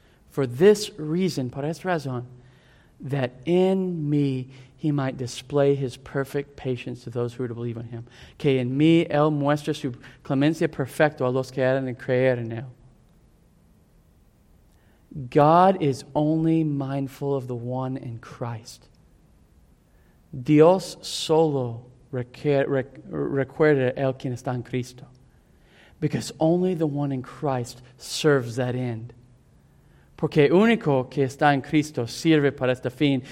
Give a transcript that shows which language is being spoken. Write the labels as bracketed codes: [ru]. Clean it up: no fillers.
[en] For this reason, [es] por esta razón, [en] that in me he might display his perfect patience to those who were to believe in him. [es] Que en mí él muestra su clemencia perfecta a los que eran de creer en él. [en] God is only mindful of the one in Christ. [es] Dios solo recuerda el quien está en Cristo. [en] Because only the one in Christ serves that end. [es] Porque único que está en Cristo sirve para este fin.